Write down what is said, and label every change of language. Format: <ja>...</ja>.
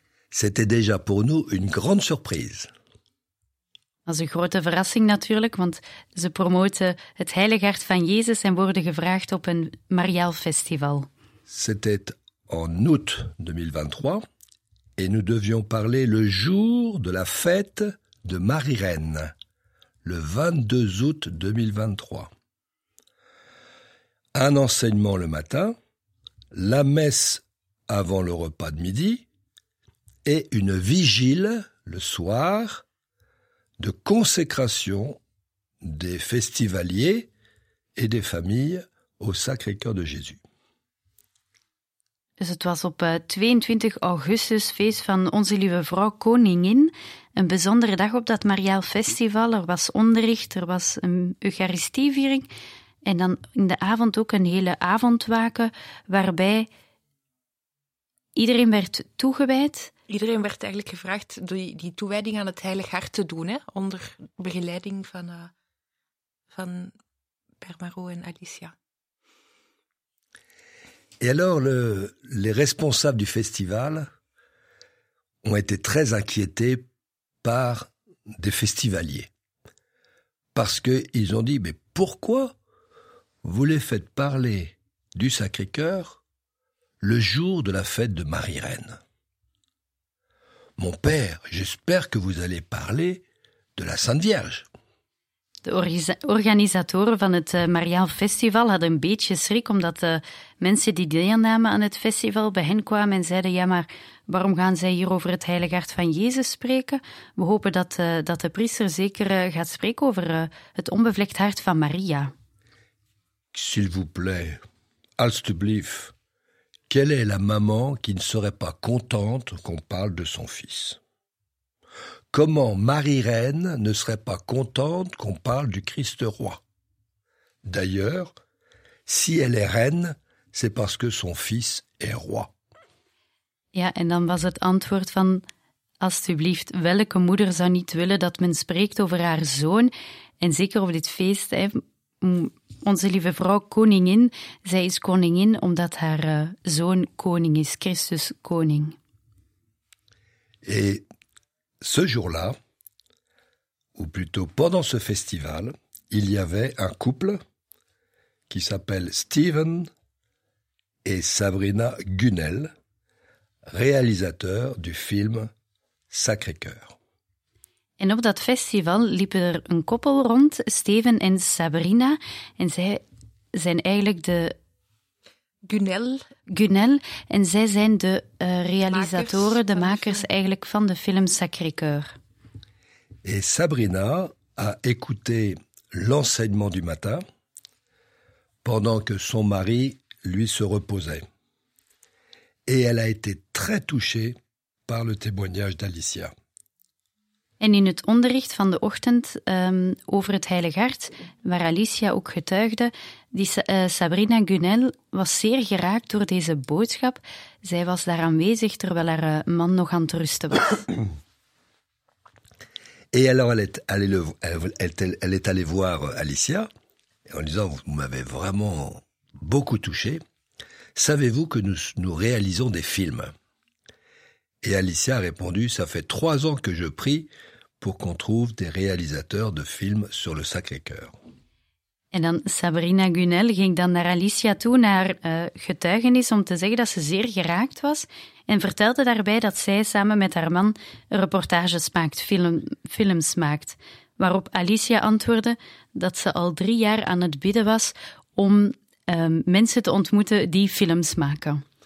<fr>C'était déjà pour nous une grande surprise.</fr> <nl>Dat is een grote verrassing natuurlijk, want ze promoten het Heilig Hart van Jezus en worden gevraagd op een mariaal festival.</nl> <fr>C'était en août 2023 et nous devions parler le jour de la fête de Marie-Reine, le 22 août 2023. Un enseignement le matin, la messe avant le repas de midi et une vigile le soir de consécration des festivaliers et des familles au Sacré-Cœur de Jésus.</fr> <nl>Dus het was op 22 augustus, feest van Onze Lieve Vrouw Koningin. Een bijzondere dag op dat mariaal festival. Er was onderricht, er was een eucharistieviering. En dan in de avond ook een hele avondwaken, waarbij iedereen werd toegewijd. Iedereen werd eigenlijk gevraagd die toewijding aan het Heilig Hart te doen, hè? Onder begeleiding van Père Marot en Alicia.</nl> <fr>Et alors, les responsables du festival ont été très inquiétés par des festivaliers. Parce qu'ils ont dit, mais pourquoi vous les faites parler du Sacré-Cœur le jour de la fête de Marie-Reine. Mon père, j'espère que vous allez parler de la Sainte Vierge.</fr> <nl>De organisatoren van het Marianne Festival hadden een beetje schrik, omdat de mensen die deelnamen aan het festival bij hen kwamen en zeiden, ja, maar waarom gaan zij hier over het Heilige Hart van Jezus spreken? We hopen dat de priester zeker gaat spreken over het onbevlekt hart van Maria.</nl> <fr>S'il vous plaît, alstublieft, quelle est la maman qui ne serait pas contente qu'on parle de son fils? Comment Marie-Reine ne serait pas contente qu'on parle du Christ-Roi? D'ailleurs, si elle est reine, c'est parce que son fils est roi.</fr> <nl>Ja, en dan was het antwoord van, alstublieft, welke moeder zou niet willen dat men spreekt over haar zoon, en zeker over dit feest, hè? Onze lieve vrouw koningin, zij is koningin omdat haar zoon koning is, Christus koning.</nl> <fr>Et ce jour-là, ou plutôt pendant ce festival, il y avait un couple qui s'appelle Steven et Sabrina Gunnell, réalisateurs du film Sacré-Cœur.</fr> <nl>En op dat festival liepen er een koppel rond, Steven en Sabrina, en zij zijn eigenlijk de... Gunnell, en zij zijn de realisatoren, de makers eigenlijk van de film Sacré-Cœur.</nl> <fr>Et Sabrina a écouté l'enseignement du matin pendant que son mari lui se reposait. Et elle a été très touchée par le témoignage d'Alicia.</fr> <nl>En in het onderricht van de ochtend over het Heilig Hart, waar Alicia ook getuigde, Sabrina Gunnell was zeer geraakt door deze boodschap. Zij was daar aanwezig terwijl haar man nog aan het rusten was.</nl> <fr>Et alors elle est allée voir Alicia en disant, vous m'avez vraiment beaucoup touché. Savez-vous que nous réalisons des films? Et Alicia a répondu, ça fait 3 ans que je prie pour qu'on trouve des réalisateurs de films sur le Sacré-Cœur.</fr> <nl>En dan Sabrina Gunnell ging dan naar Alicia toe, naar getuigenis, om te zeggen dat ze zeer geraakt was, en vertelde daarbij dat zij samen met haar man reportages maakt, films maakt, waarop Alicia antwoordde dat ze al 3 jaar aan het bidden was om mensen te ontmoeten die films maken.</nl>